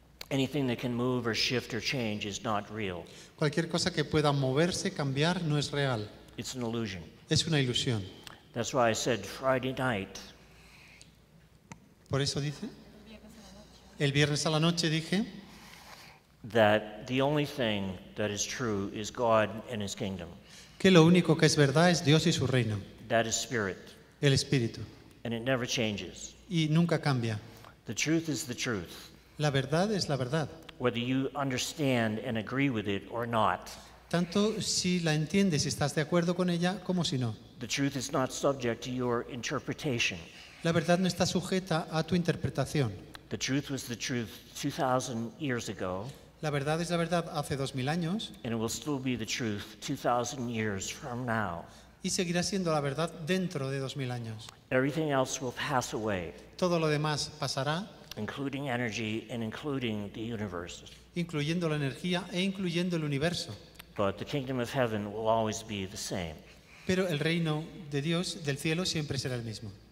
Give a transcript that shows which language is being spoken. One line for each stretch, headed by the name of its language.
English: Anything that can move or shift or change is not real.
Spanish: Cualquier cosa que pueda moverse, cambiar, no es real.
English: It's an illusion.
Spanish: Es una ilusión.
English: That's why I said Friday night.
Spanish: Por eso dice. El viernes a la noche dije.
English: That the only thing that is true is God and His kingdom.
Spanish: Que lo único que es verdad es Dios y su reino.
English: That is spirit.
Spanish: El espíritu.
English: And it never changes.
Spanish: Y nunca cambia.
English: The truth is the truth.
Spanish: La verdad es la verdad.
English: Whether you understand and agree with it or not.
Spanish: Tanto si la entiendes y estás de acuerdo con ella, como si no.
English: The truth is not subject to your interpretation.
Spanish: La verdad no está sujeta a tu interpretación.
English: The truth was the truth 2000 years ago.
Spanish: La verdad es la verdad hace 2000 años.
English: And it will still be the truth 2000 years from now.
Spanish: Y seguirá siendo la verdad dentro de 2000 años.
English: Everything else will pass away.
Spanish: Todo lo demás pasará.
English: Including energy and including the universe.
Spanish: Incluyendo la energía e incluyendo el universo.
English: But the kingdom of heaven will always be the same.
Spanish: Pero el reino de Dios del cielo siempre será el mismo.